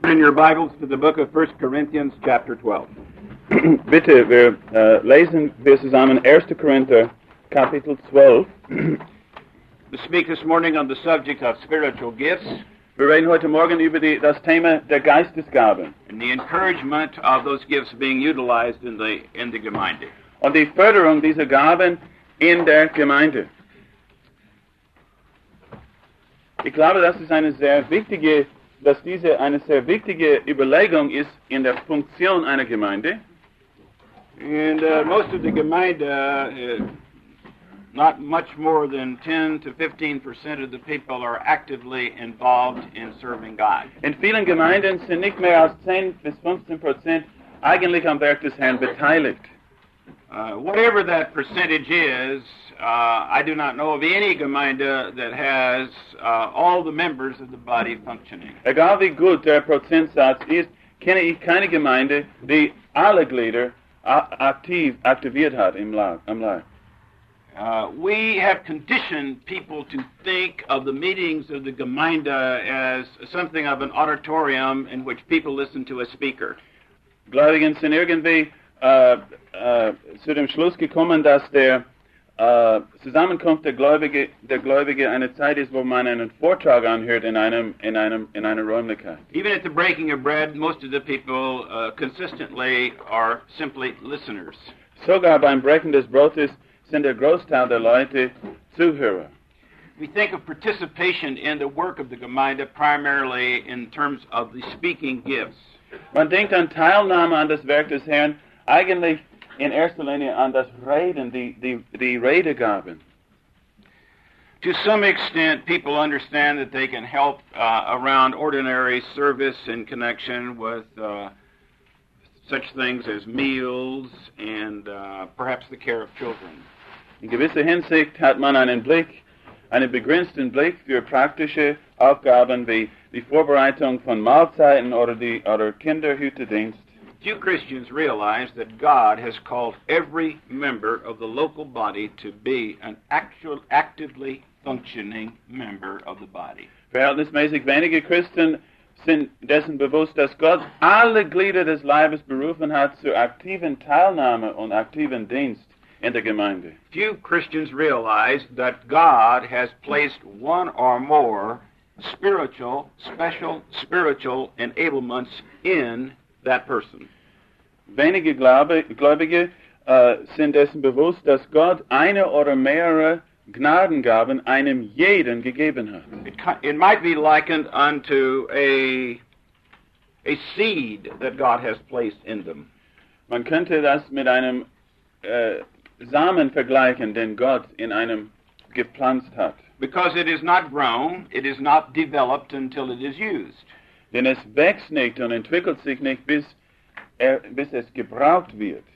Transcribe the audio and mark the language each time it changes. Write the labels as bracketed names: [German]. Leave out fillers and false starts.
[English] In your Bibles to the book of 1 Corinthians, chapter 12. [German] Bitte, wir lesen wir zusammen 1. Korinther, Kapitel 12. [English] We speak this morning on the subject of spiritual gifts. [German] Wir reden heute Morgen über das Thema der Geistesgaben. [English] And the encouragement of those gifts being utilized in the Gemeinde. [German] Und die Förderung dieser Gaben in der Gemeinde. Ich glaube, dass diese eine sehr wichtige Überlegung ist in der Funktion einer Gemeinde. [English] And most of the Gemeinde, not much more than 10-15% of the people are actively involved in serving God. [German] In vielen Gemeinden sind nicht mehr als 10-15% eigentlich am Werk des Herrn beteiligt. [English] Whatever that percentage is, I do not know of any Gemeinde that has all the members of the body functioning. [German] Egal wie gut der Prozentsatz ist, kenne ich keine Gemeinde, die alle Glieder aktiviert hat im Leib. [English] We have conditioned people to think of the meetings of the Gemeinde as something of an auditorium in which people listen to a speaker. [German] Gläubigen sind irgendwie zu dem Schluss gekommen, dass der Zusammenkunft der Gläubige eine Zeit ist, wo man einen Vortrag anhört in einer Räumlichkeit. [English] Even at the breaking of bread, most of the people consistently are simply listeners. [German] Sogar beim Brechen des Brotes sind der Großteil der Leute Zuhörer. [English] We think of participation in the work of the Gemeinde primarily in terms of the speaking gifts. [German] Man denkt an Teilnahme an das Werk des Herrn eigentlich in erster Linie an das Reden, die Redegaben. [English] To some extent, people understand that they can help around ordinary service in connection with such things as meals and perhaps the care of children. [German] In gewisser Hinsicht hat man einen begrenzten Blick für praktische Aufgaben wie die Vorbereitung von Mahlzeiten oder Kinderhütedienst. [English] Few Christians realize that God has called every member of the local body to be an actively functioning member of the body. [German] Verhältnismäßig wenige Christen sind dessen bewusst, dass Gott alle Glieder des Leibes berufen hat zur aktiven Teilnahme und aktiven Dienst in der Gemeinde. [English] Few Christians realize that God has placed one or more special spiritual enablements in that person. [German] Wenige Gläubige sind dessen bewusst, dass Gott eine oder mehrere Gnadengaben einem jeden gegeben hat. [English] It might be likened unto a seed that God has placed in them. [German] Man könnte das mit einem Samen vergleichen, den Gott in einem gepflanzt hat. [English] Because it is not grown, it is not developed until it is used. [German] Denn es wächst nicht und entwickelt sich nicht, bis es gebraucht wird.